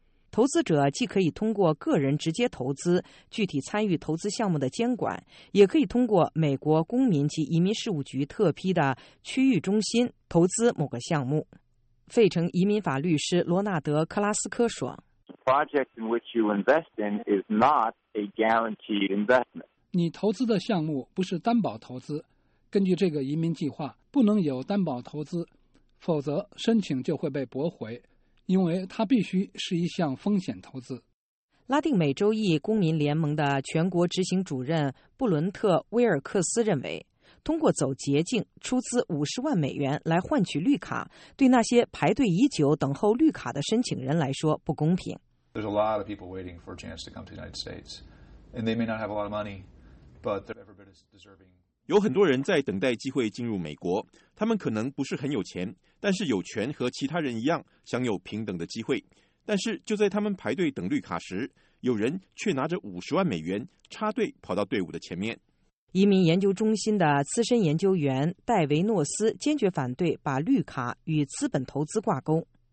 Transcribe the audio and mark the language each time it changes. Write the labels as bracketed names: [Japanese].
[Chinese] 投资者既可以通过个人直接投资，具体参与投资项目的监管，也可以通过美国公民及移民事务局特批的区域中心投资某个项目。费城移民法律师罗纳德·克拉斯科说， [English] Project in which you invest in is not a guaranteed investment. [Chinese] 你投资的项目不是担保投资，根据这个移民计划不能有担保投资，否则申请就会被驳回，因为它必须是一项风险投资。拉丁美洲裔公民联盟的全国执行主任布伦特·威尔克斯认为，通过走捷径出资$500,000来换取绿卡，对那些排队已久等候绿卡的申请人来说不公平。 [English] There's a lot of people waiting for a chance to come to the United States, and they may not have a lot of money, but they're ever been deserving. [Chinese] 有很多人在等待机会进入美国，他们可能不是很有钱，但是有权和其他人一样享有平等的机会。但是就在他们排队等绿卡时，有人却拿着$500,000插队跑到队伍的前面。移民研究中心的资深研究员戴维诺斯坚决反对把绿卡与资本投资挂钩。